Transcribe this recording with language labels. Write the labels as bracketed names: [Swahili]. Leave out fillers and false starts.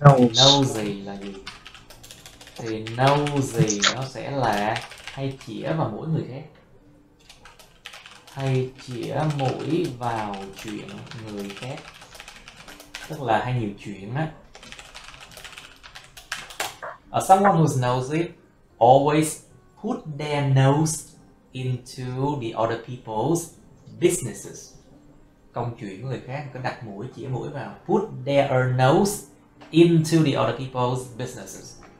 [English] Nosy [Vietnamese] là gì? Thì nosy nó sẽ là hay chĩa vào mũi người khác, hay chĩa mũi vào chuyện người khác, tức là hay nhiều chuyện á. [English] Someone who's nosy always put their nose into the other people's businesses. [Vietnamese] Công chuyện người khác, cứ đặt mũi, chĩa mũi vào. [English] Put their nose into the other people's businesses.